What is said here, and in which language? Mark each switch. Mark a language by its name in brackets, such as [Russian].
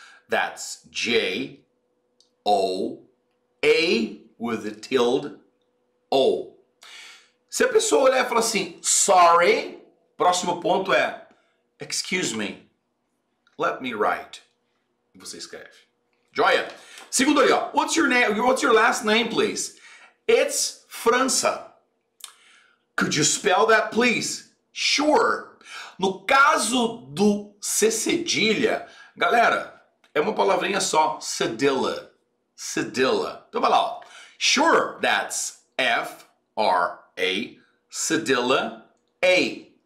[English] That's J-O-A with a tilde O. [Portuguese] Se a pessoa olhar e falar assim, [English] sorry, [Portuguese] próximo ponto é, [English] excuse me, let me write. [Portuguese] Você escreve. Joia. Segundo ali, ó. [English] What's your name? What's your last name, please? It's França. Could you spell that, please? Sure. [Portuguese] No caso do C cedilha, galera, é uma palavrinha só, cedilla, cedilla. Então vai lá, ó. [English] Sure, that's F-R-A, cedilla, A.